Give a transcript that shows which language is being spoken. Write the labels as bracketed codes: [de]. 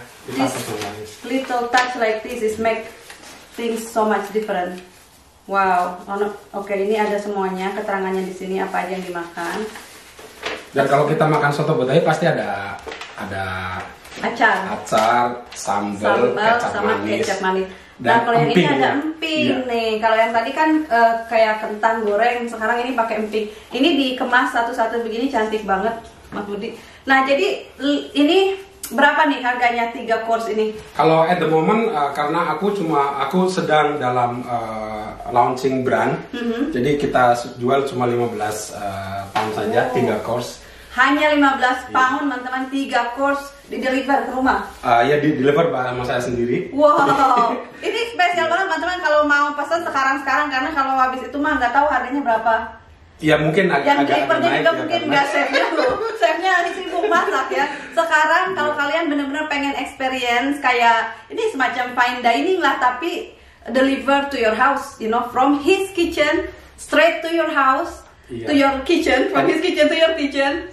[en] This little touch like this is make things so much different. Wow. [id] Okay, ini ada semuanya, keterangannya di sini apa aja yang dimakan. Dan kalau kita makan soto Betawi pasti ada acar, sambal kecap manis. Kecap manis. Dan nah, kalau yang ini ada emping nih. Kalau yang tadi kan kayak kentang goreng, sekarang ini pakai emping. Ini dikemas satu-satu begini cantik banget, Mas Budi. Nah, jadi ini berapa nih harganya 3 course ini? Kalau [en] at the moment [id] karena aku sedang dalam launching brand. Jadi kita jual cuma £15 saja 3 course. Hanya 15 pound, yeah. Teman-teman, 3 course di deliver ke rumah. Ya di deliver sama saya sendiri. Wow. Ini spesial yeah. banget, teman-teman, kalau mau pesan sekarang-sekarang, karena kalau habis itu mah nggak tahu harganya berapa. Ya mungkin agak yang delivernya juga ya, mungkin nggak safe dulu. Safe-nya di situ masak ya. Sekarang kalau kalian benar-benar pengen experience kayak ini semacam fine dining lah, tapi [en] deliver to your house, [id] you know, from his kitchen straight to your house. Iya. [en] To your kitchen, from his kitchen to your kitchen.